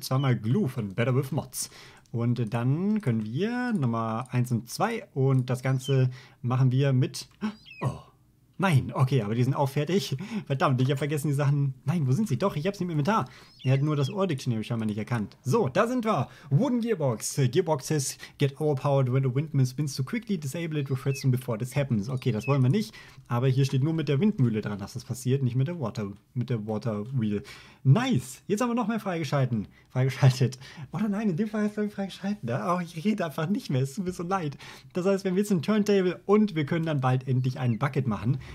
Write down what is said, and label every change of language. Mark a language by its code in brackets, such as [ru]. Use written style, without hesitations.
[de] 2x Glue von Better With Mods. Und dann können wir Nummer 1 und 2 und das Ganze machen wir mit... Oh, nein. Okay, aber die sind auch fertig. Verdammt, ich habe vergessen die Sachen. Nein, wo sind sie? Doch, ich habe sie im Inventar. Er hat nur das Ore Dictionary scheinbar nicht erkannt. So, da sind wir. Wooden Gearbox. [en] Gearboxes get overpowered when the windmill spins too quickly. Disable it with redstone before this happens. [de] Okay, das wollen wir nicht. Aber hier steht nur mit der Windmühle dran, dass das passiert. Nicht mit der Water Wheel. Nice. Jetzt haben wir noch mehr freigeschalten. Freigeschaltet. Oder nein, in dem Fall ist es freigeschalten. Oh, ich rede einfach nicht mehr. Es tut mir so leid. Das heißt, wir haben jetzt ein Turntable und wir können dann bald endlich einen Bucket machen.